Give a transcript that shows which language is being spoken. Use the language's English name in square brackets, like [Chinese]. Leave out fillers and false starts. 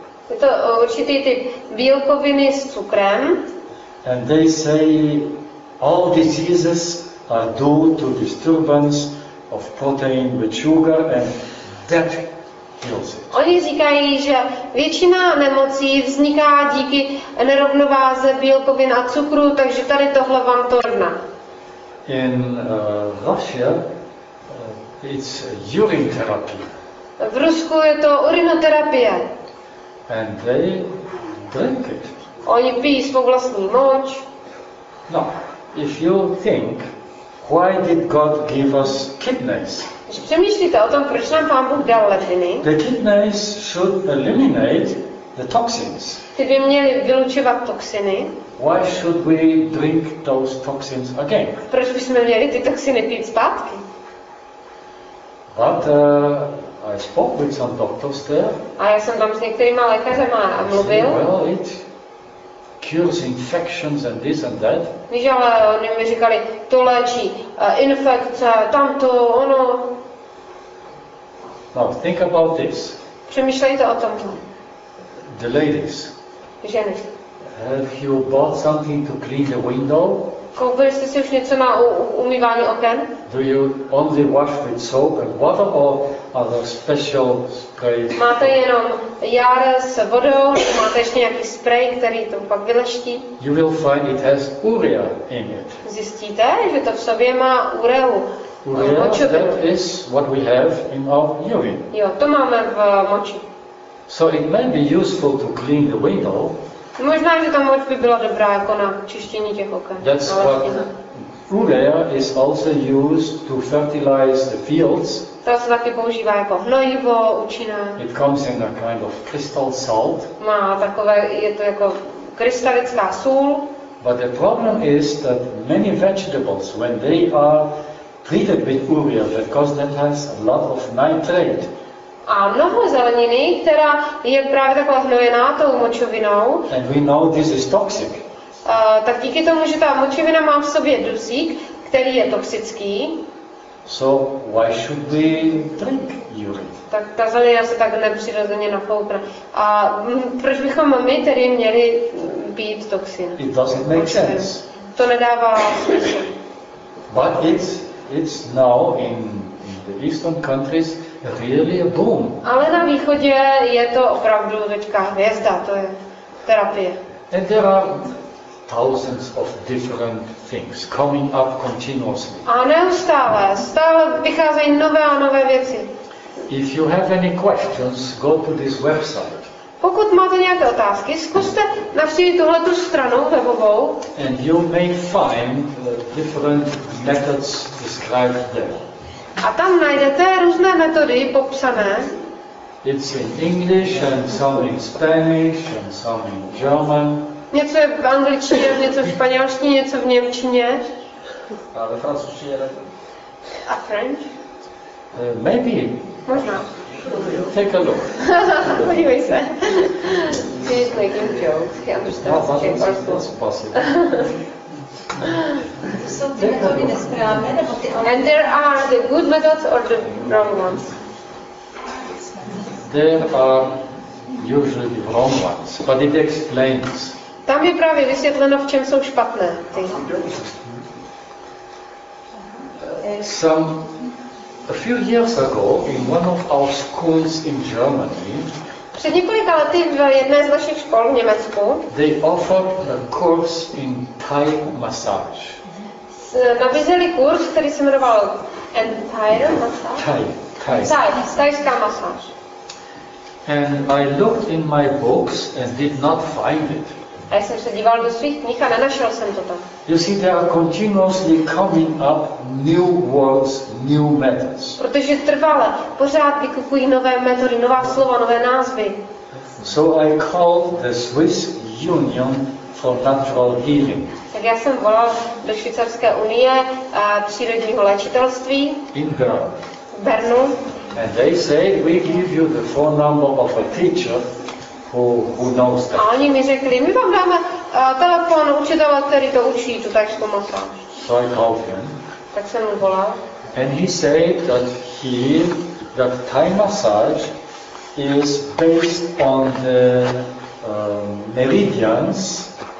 [Czech] Je to určitý typ bílkoviny s cukrem. [English] And they say all diseases are due to disturbance of protein with sugar, and that heals it. [Czech] Oni říkají, že většina nemocí vzniká díky nerovnováze bílkovin a cukru, takže tady tohle vám to rovná. [English] In Russia it's urine therapy. [Czech] V Rusku je to urinoterapie. [English] And they drink it. [Czech] Oni pijí svou vlastní moč. [English] No, if you think, why did God give us kidneys? [Czech] Když přemýšlíte o tom, proč nám Pán Bůh dal ledviny? [English] The kidneys should eliminate the toxins. [Czech] Ty by měly vylučovat toxiny. [English] Why should we drink those toxins again? [Czech] Proč bychom měli ty toxiny pít zpátky? [English] But I spoke with some doctors there. [Czech] A já jsem tam s některýma lékařema mluvil. [English] Well, it cures infections and this and that. [Czech] Víš, ale oni mi říkali, to léčí infekce, tamto, ono. [English] Now, think about this. [Czech] Přemýšlejte o tom. [English] The ladies. [Czech] Ženy. [English] Have you bought something to clean the window? [Czech] Koupili jste si už něco na umývání oken? [English] Do you only wash with soap and water or other special sprays? [Czech] Máte jenom jar s vodou, máte ještě nějaký spray, který to pak vyleští? [English] You will find it has urea in it. [Czech] Zjistíte, že to v sobě má ureu. [English] Urea, that is what we have in our urine. [Czech] Jo, to máme v moči. [English] So it may be useful to clean the window. [Czech] Možná, že ta moč by byla dobrá jako na čištění těch oken. [English] That's what urea is also used to fertilize the fields. [Czech] To se taky používá jako hnojivo, účinné. [English] It comes in a kind of crystal salt. [Czech] Má takové, je to jako krystalická sůl. [English] But the problem is that many vegetables, when they are treated with urea, because that has a lot of nitrate. [Czech] A mnoho zeleniny, která je právě taková hnojená tou močovinou. [English] And we know this is toxic. [Czech] Tak díky tomu, že ta močovina má v sobě dusík, který je toxický. [English] So why should we drink urine? [Czech] Tak ta zelenina se tak nepřirozeně nafoukne. A proč bychom my tedy měli pít toxin? [English] It doesn't make sense. [Czech] To nedává smysl. [English] But it's now in the eastern countries really a boom. [Czech] Ale na východě je to opravdu teďka hvězda, to je terapie. [English] And there are thousands of different things coming up continuously. [Czech] A neustále, stále vycházejí nové a nové věci. [English] If you have any questions, go to this website. [Czech] Pokud máte nějaké otázky, zkuste navštívit tuhletu stranu webovou. [English] And you may find different methods described there. [Czech] A tam najdete různé metody popsané. [English] It's in English and some in Spanish and some in German. [Czech] Něco je v angličtině, něco v španělštině, něco v němčině. A ve francouzštině. [English] A French? Maybe. [Czech] Možná. [English] Take a look. [Czech] Podívej se. [English] He's making jokes. He understands. No, that's not possible. And there are the good methods or the wrong ones? There are usually the wrong ones, but it explains. [Czech] Tam je právě vysvětleno, v čem jsou špatné ty. [English] A few years ago in one of our schools in Germany. [Czech] Před několika lety v jedné z našich škol v Německu. [English] They offered a course in Thai massage. [Czech] Nabízeli kurz, který se jmenoval Entire massage. Thajská masáž. [English] And I looked in my books and did not find it. [Czech] A já jsem se díval do svých knih a nenašel jsem to tam. [English] You see, they are continuously coming up new words, new methods. [Czech] Protože trvale pořád vykukují nové metody, nová slova, nové názvy. [English] So I called the Swiss Union for Natural Healing. [Czech] Tak já jsem volal do Švýcarské unie přírodního léčitelství. [English] In Bern. [Czech] Bernu. [English] And they say, we give you the phone number of a teacher. Who knows that? [Czech] A oni mi řekli, my vám dáme telefon učitele, který to učí, to tak pomáhá. [English] So I called him. [Czech] Tak jsem mu volal. [English] And he said that he that Thai massage is based on the meridians.